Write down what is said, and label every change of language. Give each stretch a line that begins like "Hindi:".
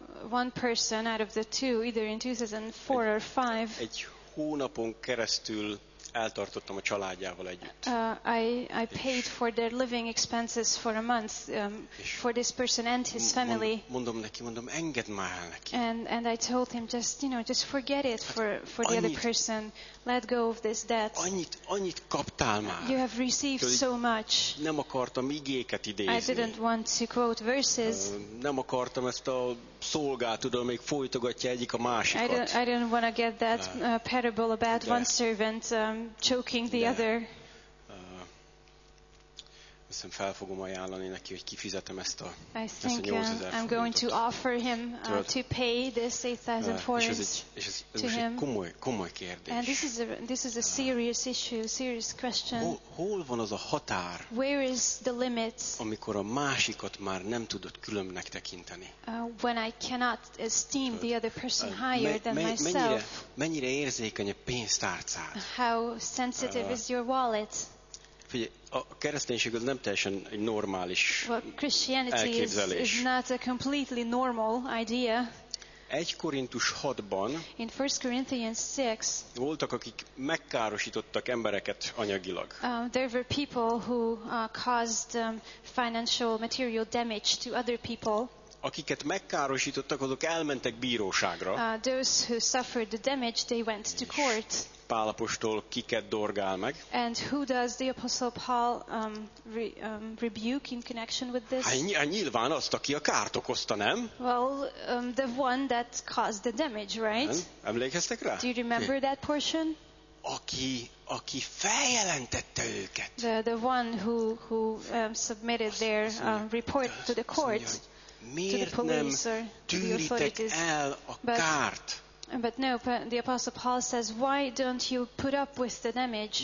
English: One person out of the two, either in 2004 or 5.
Hungarian: Egy hónapon keresztül eltartottam a családjával együtt.
English: I paid for their living expenses for a month for this person and his family.
Hungarian: Mondom neki, engedd már el neki.
English: And I told him just forget it for the other person. Let go of this debt.
Hungarian: Annyit kaptál már.
English: You have received so much.
Hungarian: Nem akartam igéket idézni.
English: I didn't want to quote verses.
Hungarian: Nem akartam ezt a szolgát, tudom, még folytogatja egyik a másikat.
English: I didn't want to get that parable about one servant choking the other.
Hungarian: Aztán fel fogom ajánlani neki, hogy kifizetem ezt a 8000 forintot.
English: I think I'm going to offer him to pay this 8000 forints.
Hungarian: És ez komoly kérdés.
English: And this is a serious issue, serious question.
Hungarian: Hol van az a határ?
English: Where is the limit?
Hungarian: Amikor a másikat már nem tudod különbnek tekinteni.
English: When I cannot esteem the other person higher than myself.
Hungarian: Mennyire érzékeny a pénztárcád?
English: How sensitive is your wallet?
Hungarian: A kereszténység az nem teljesen egy normális elképzelés.
English: Is not a completely normal idea.
Hungarian: 1 Korintus 6-ban
English: in 1 Corinthians 6,
Hungarian: voltak, akik megkárosítottak embereket anyagilag.
English: There were people who caused financial material damage to other people.
Hungarian: Akiket megkárosítottak, azok elmentek bíróságra.
English: Those who suffered the damage, they went to court.
Hungarian: Pál apostol kiket dorgál meg?
English: And who does the apostle Paul rebuke in connection with this?
Hungarian: Nyilván azt, aki a kárt okozta, nem?
English: Well, the one that caused the damage, right?
Hungarian: Emlékeztek rá?
English: Do you remember that portion?
Hungarian: Aki feljelentette őket.
English: The one who submitted their report to the court.
Hungarian: Miért nem tűritek el a kárt?
English: But no, the Apostle Paul says, why don't you put up with the damage?